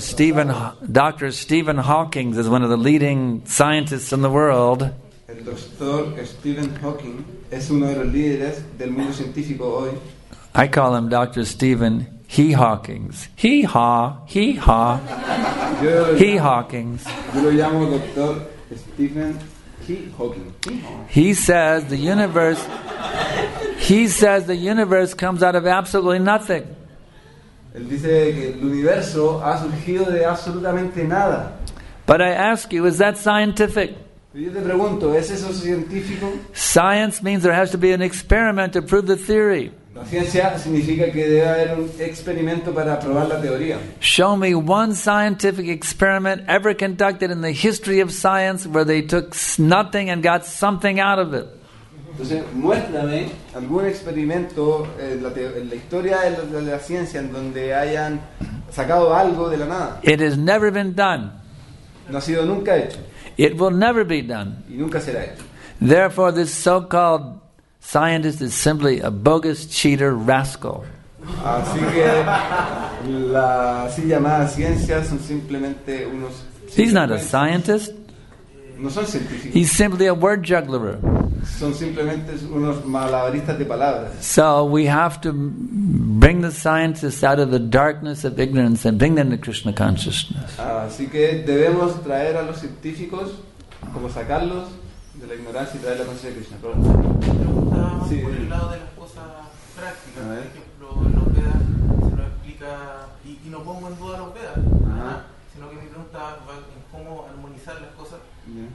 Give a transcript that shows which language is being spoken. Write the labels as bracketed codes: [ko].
[en] Dr. Stephen Hawking is one of the leading scientists in the world. [es] El doctor Stephen Hawking es uno de los líderes del mundo científico hoy. [en] I call him Dr. Stephen Hee Hawkings. Hee ha, hee ha. Hee Hawkings. [es] Yo lo llamo Dr. Stephen Hee Hawking. [en] He says the universe. He says the universe comes out of absolutely nothing. [es] Él dice que el universo ha surgido de absolutamente nada. [en] But I ask you, is that scientific? [es] Yo te pregunto, ¿es eso científico? [en] Science means there has to be an experiment to prove the theory. [es] La ciencia significa que debe haber un experimento para probar la teoría. [en] Show me one scientific experiment ever conducted in the history of science where they took nothing and got something out of it. [es] Entonces, muéstrame algún experimento en la historia de la ciencia en donde hayan sacado algo de la nada. [en] It has never been done. [es] No ha sido nunca hecho. [en] It will never be done. [es] Y nunca será hecho. [en] Therefore, this so-called scientist is simply a bogus cheater rascal. [es] Así que la así llamada ciencia son simplemente unos. [en] He's not a scientist. [es] No son científicos. [en] He's simply a word juggler. [es] Son simplemente unos malabaristas de palabras. [en] So we have to bring the scientists out of the darkness of ignorance and bring them to Krishna consciousness. [es] Así que debemos traer a los científicos, como sacarlos de la ignorancia y traer la conciencia de Krishna. Sí. Por el lado de las cosas prácticas, por ejemplo, los Vedas se nos explica y no pongo en duda los Vedas, sino que mi pregunta va en cómo armonizar las cosas. Bien.